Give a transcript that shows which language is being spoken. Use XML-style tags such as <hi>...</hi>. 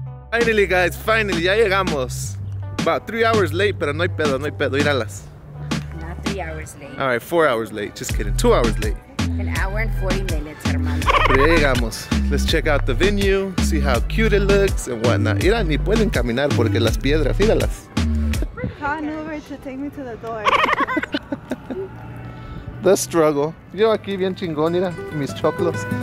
<en>Finally, guys, finally,</en> <es>ya llegamos.</es> <en>About 3 hours late,</en> <es>pero no hay pedo, no hay pedo, iralas.</es> <en>Not 3 hours late. All right, 4 hours late, just kidding, 2 hours late. An hour and 40 minutes, hermano.</en> <es>Pero ya llegamos.</es> <en>Let's check out the venue, see how cute it looks and whatnot.</en> <es>Ira, ni pueden caminar porque las piedras, iralas.</es> <en>Call an Uber to take me to the door. The struggle.</en> <es>Yo aquí bien chingón, mira, mis choclos.</es>